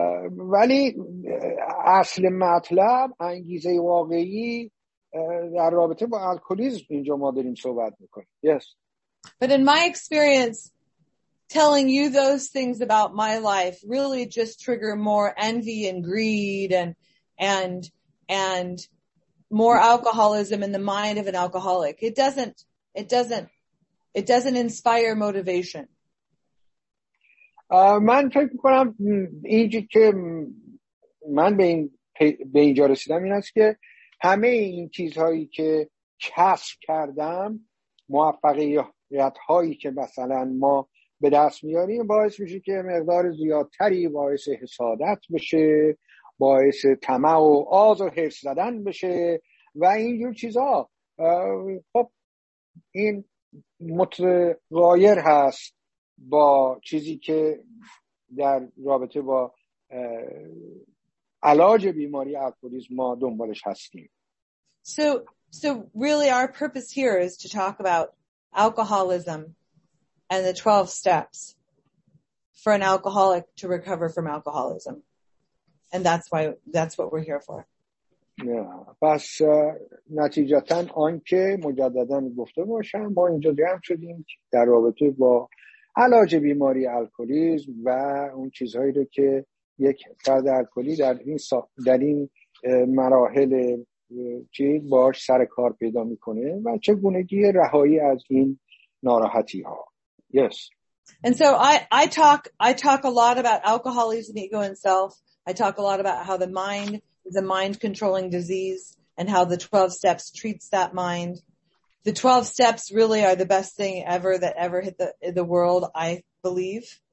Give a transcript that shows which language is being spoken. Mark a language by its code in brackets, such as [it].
[fa] ولی اصل مطلب، انگیزه واقعی در رابطه با الکلیسم اینجا ما داریم صحبت میکنیم. [en] Yes. But in my experience, telling you those things about my life really just trigger more envy and greed and more alcoholism in the mind of an alcoholic. It doesn't inspire motivation. [fa] من فکر میکنم اینجی که من به اینجا رسیدم این است که همه این چیزهایی که کسب کردم، موفقیت‌هایی که مثلا ما به دست میاریم، باعث میشه که مقدار زیادتری باعث حسادت بشه، باعث طمع و آز و حرص زدن بشه و اینجور چیزها. خب این متغایر هست با چیزی که در رابطه با علاج بیماری الکلیسم ما دنبالش هستیم. [en] So really our purpose here is to talk about alcoholism and the 12 steps for an alcoholic to recover from alcoholism. And that's what we're here for. [fa] پس نتیجتاً آن که مجدداً گفته باشم، ما اینجا جمع شدیم در رابطه با علاج بیماری الکلیسم و اون چیزهایی رو که یک فرد الکلی در این مراحل چی باش سر کار پیدا میکنه و چگونگی رهایی از این ناراحتی ها. [en] Yes. And so I talk a lot about alcoholism, ego and self. I talk a lot about how the mind is a mind controlling disease and how the 12 steps treats that mind. The 12 steps really are the best thing ever that ever hit the world, I believe.